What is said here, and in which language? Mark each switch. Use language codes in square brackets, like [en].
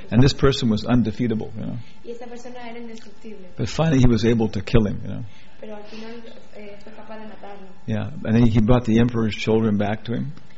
[en] And this person was undefeatable, you know. [es] Y esta persona era indestructible. [en] But finally he was able to kill him, you know. [es] Pero al final, fue capaz de matarlo. [en] Yeah, and then he brought the emperor's children back to him.